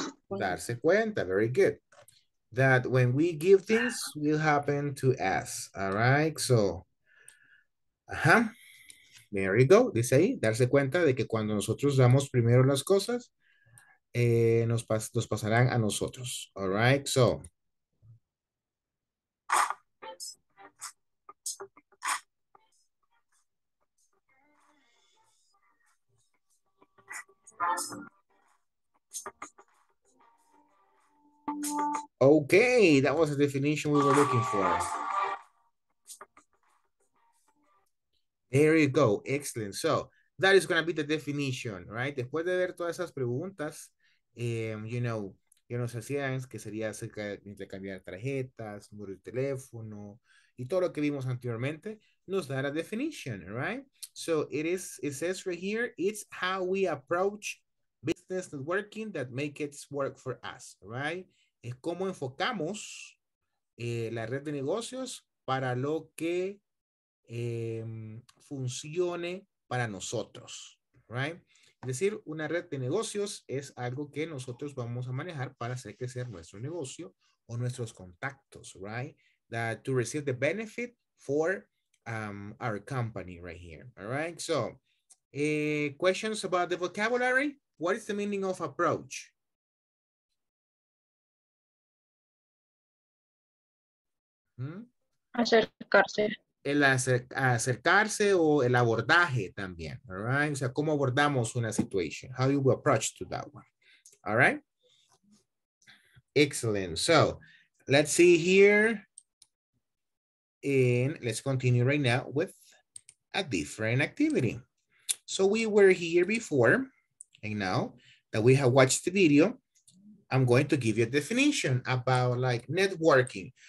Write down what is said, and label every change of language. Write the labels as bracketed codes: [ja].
[es] Darse cuenta, [en] very good. That when we give things, will happen to us. All right, so, there you go. [es] Dice ahí, darse cuenta de que cuando nosotros damos primero las cosas, nos pasarán a nosotros. [en] All right, so. Okay, that was the definition we were looking for. There you go, excellent. So, that is going to be the definition, right? [es] Después de ver todas esas preguntas, [en] you know, [es] y en los ASEANs, que sería acerca de intercambiar tarjetas, número de teléfono, y todo lo que vimos anteriormente, nos da la definición, right? [en] So it says right here, it's how we approach business networking that make it work for us, right? [es] Es cómo enfocamos la red de negocios para lo que funcione para nosotros, right? Es decir, una red de negocios es algo que nosotros vamos a manejar para hacer crecer nuestro negocio o nuestros contactos, right? [en] That to receive the benefit for our company right here, all right? So, questions about the vocabulary? What is the meaning of approach? [es] Acercarse. El acercarse o el abordaje también, all right? O sea, ¿cómo abordamos una situation? [en] How you approach to that one, all right? Excellent. So, let's see here. And let's continue right now with a different activity. So we were here before, and now that we have watched the video, I'm going to give you a definition about like networking.